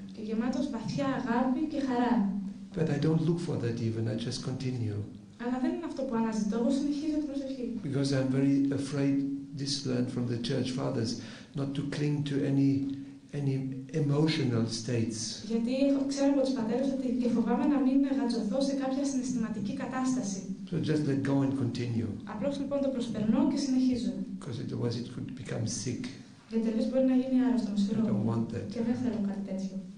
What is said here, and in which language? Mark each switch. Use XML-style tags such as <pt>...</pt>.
<el>Και γεμάτος βαθιά αγάπη και χαρά.</el> <en>But I don't look for that even, I just continue.</en> <el>Αλλά δεν είναι αυτό που αναζητώ, εγώ συνεχίζω την προσευχή.</el> <en>Because I'm very afraid, this learned from the Church Fathers, not to cling to any emotional states.</en> <el>Γιατί ξέρω από τους πατέρες ότι και φοβάμαι να μην γαντζωθώ σε κάποια συναισθηματική κατάσταση.</el> <en>So just let go and continue.</en> <el>Απλώς λοιπόν το προσπερνώ και συνεχίζω.</el> <en>Because otherwise it could become sick.</en> <el>Γιατί αλλιώς μπορεί να γίνει άρρωστο με σειρό.</el> <en>I don't want that.</en> <el>Και δεν θέλω κάτι τέτοιο.</el>